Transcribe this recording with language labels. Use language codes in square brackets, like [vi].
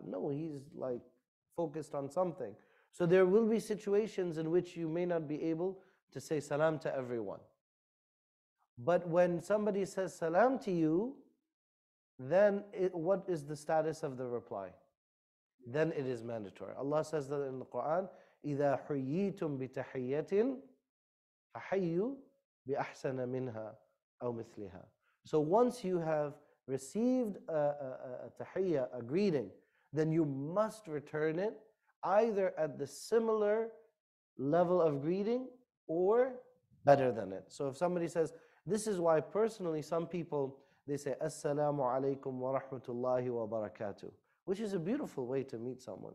[en] No, he's like focused on something. So there will be situations in which you may not be able to say salam to everyone. But when somebody says salam to you, then what is the status of the reply? Then it is mandatory. Allah says that in the Quran, [ar] إِذَا حُيِّيتُم بِتَحِيَّةٍ فَحَيُّ بِأَحْسَنَ مِنْهَا أَوْ مِثْلِهَا. [en] So once you have received a tahiyya, a greeting, then you must return it either at the similar level of greeting or better than it. So if somebody says, this is why personally some people, they say, Assalamu alaikum wa rahmatullahi wa barakatuh, which is a beautiful way to meet someone.